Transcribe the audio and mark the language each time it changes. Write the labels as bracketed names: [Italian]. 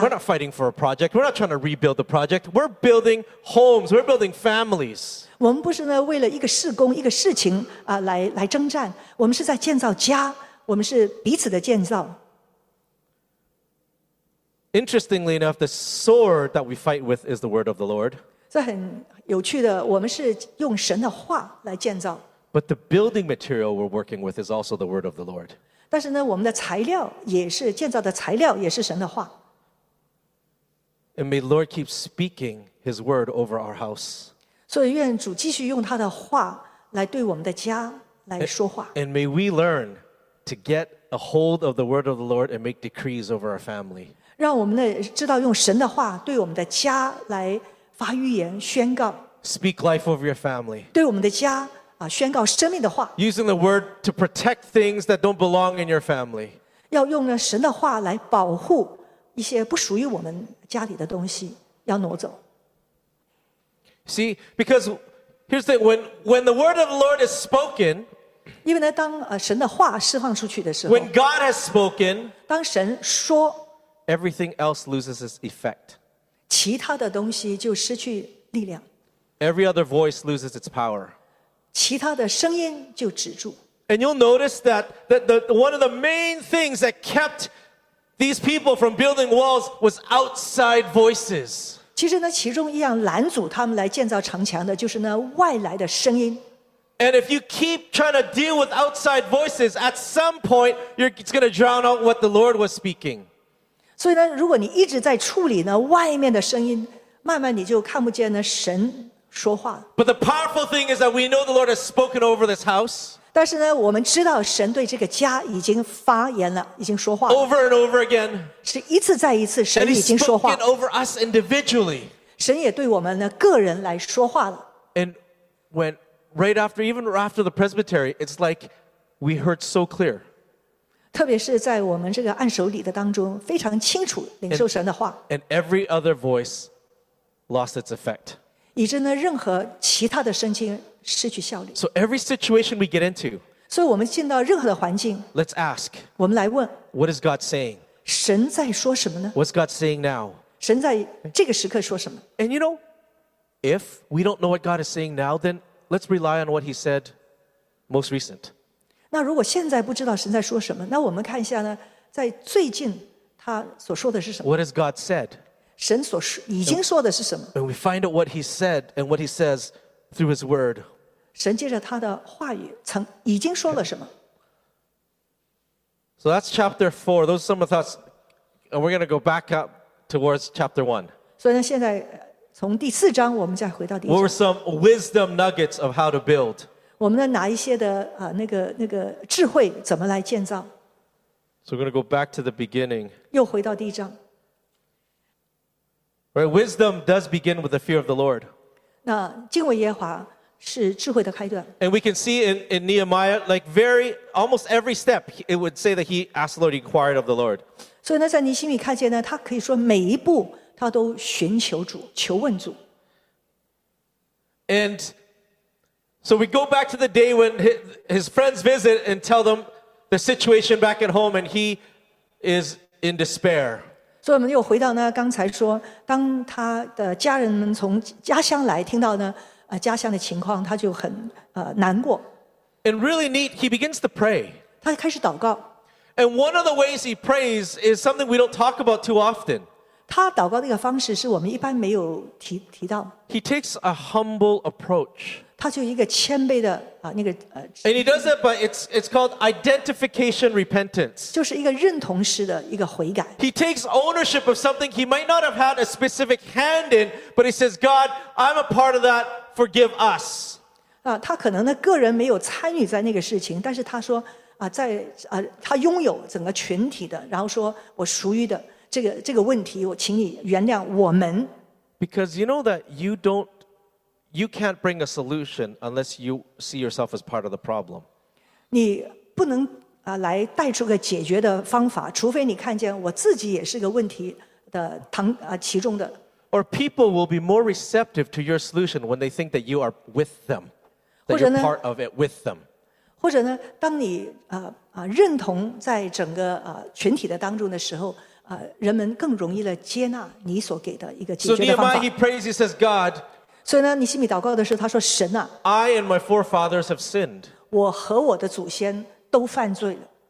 [English] We're not fighting for a project. We're not trying to rebuild the project. We're building homes. We're building families. [Chinese] 我们不是呢为了一个事工一个事情、来征战，我们是在建造家，我们是彼此的建造。 [English] Interestingly enough, the sword that we fight with is the word of the Lord. [Chinese] 这很有趣的，我们是用神的话来建造。 [English] But the building material we're working with is also the word of the Lord. [Chinese] 但是呢，我们的材料也是建造的材料，也是神的话。 [English] And may the Lord keep speaking His word over our house. [Chinese] 所以愿主继续用他的话来对我们的家来说话。 [English] And may we learn to get a hold of the word of the Lord and make decrees over our family. [Chinese] 让我们知道用神的话对我们的家来发预言宣告。 [English] Speak life over your family. [Chinese] 对我们的家宣告生命的话。 [English] Using the word to protect things that don't belong in your family. [Chinese] 要用神的话来保护一些不属于我们家里的东西要挪走。 [English] See, because here's the thing, when the word of the Lord is spoken, [Chinese] 因为呢当神的话释放出去的时候 [English] when God has spoken, [Chinese] 当神说 [English] everything else loses its effect. [Chinese] 其他的东西就失去力量 [English] every other voice loses its power. [Chinese] 其他的声音就止住 [English] and you'll notice that the, one of the main things that kept these people from building walls was outside voices. [Chinese] 其实呢，其中一样拦阻他们来建造城墙的，就是那外来的声音。 [English] And if you keep trying to deal with outside voices, at some point you're going to drown out what the Lord was speaking. [Chinese] 所以呢，如果你一直在处理呢外面的声音，慢慢你就看不见呢神说话。 [English] But the powerful thing is that we know the Lord has spoken over this house. [Chinese] 但是呢，我们知道神对这个家已经发言了，已经说话。 [English] Over and over again. [Chinese] 是一次再一次，神已经说话。 [English] And He's spoken over us individually. [Chinese] 神也对我们的个人来说话了。 [English] And when right after, even after the presbytery, it's like we heard so clear. [Chinese] 特别是在我们这个按手礼的当中，非常清楚领受神的话。 [English] And every other voice lost its effect. [Chinese] 以致呢，任何其他的声音失去效力。 [English] So every situation we get into, [Chinese] 所以我们进到任何的环境 [English] ，Let's ask, [Chinese] 我们来问 [English] ，What is God saying? [Chinese] 神在说什么呢 [English] ？What's God saying now? [Chinese] 神在这个时刻说什么 [English] ？And you know, if we don't know what God is saying now, then let's rely on what He said most recent. [Chinese] 那如果现在不知道神在说什么，那我们看一下呢，在最近他所说的是什么 [English] ？What has God said? [Chinese] 神所已经说的是什么 [English] And we find out what he said and what he says through his word. [Chinese] 神借着他的话语曾已经说了什么 [English] So that's chapter 4. Those are some of the thoughts. And we're going to go back up towards chapter 1. [Chinese] 所以呢现在从第四章我们再回到第一 [English] 章 What were some wisdom nuggets of how to build? [Chinese] 我们拿一些的那个智慧怎么来建造 [English] So we're going to go back to the beginning. [Chinese] 又回到第一章 [English] Right, wisdom does begin with the fear of the Lord. [Chinese] 那敬畏耶和华是智慧的开端。 [English] And we can see in Nehemiah, like almost every step, it would say that he asked the Lord, inquired of the Lord. [Chinese] 所以呢，在尼希米看见呢，他可以说每一步他都寻求主，求问主。 [English] And so we go back to the day when his friends visit and tell them the situation back at home, and he is in despair. [Chinese] 所以我们又回到呢，刚才说，当他的家人们从家乡来，听到呢，家乡的情况，他就很难过。 [English] And really neat, he begins to pray. [Chinese] 他开始祷告。 [English] And one of the ways he prays is something we don't talk about too often. [Chinese] 他祷告的一个方式是我们一般没有 提到。 [English] He takes a humble approach. [Chinese] 他就一个谦卑的、啊、那个、 [English] And he does it, but it's called identification repentance. [Chinese] 就是一个认同式的一个悔改。 [English] He takes ownership of something he might not have had a specific hand in, but he says, God, I'm a part of that, forgive us. [Chinese] 啊、他可能呢个人没有参与在那个事情，但是他说、啊、在、啊、他拥有整个群体的，然后说我属于的。这个问题我请你原谅我们。 [English] Because you know that you can't bring a solution unless you see yourself as part of the problem. [Chinese] 你不能、来带出个解决的方法，除非你看见我自己也是个问题的、其中的。 [English] Or people will be more receptive to your solution when they think that you are with them, that you're part of it with them. [Chinese] 或者呢，当你、认同在整个、群体的当中的时候，人们更容易地接纳你所给的一个解决的方法。 [English] So Nehemiah, he prays, he says, God, [Chinese] 所以呢，尼希米祷告的时候，他说，神啊， [English] I and my forefathers have sinned. [Chinese] 我和我的祖先都犯罪了。